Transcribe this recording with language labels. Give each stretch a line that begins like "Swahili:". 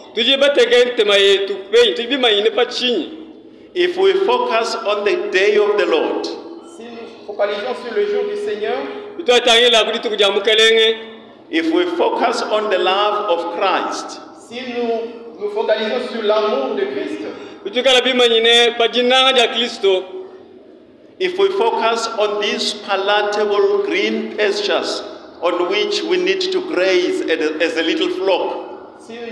English: If we focus on the day of the Lord,
French: si nous focalisons sur le jour du Seigneur,
English: if we focus on the love of Christ,
French: si nous focalisons sur l'amour de Christ,
English: if we focus on the palatable green pastures, if we focus on these palatable green pastures on which we need to graze as a little flock.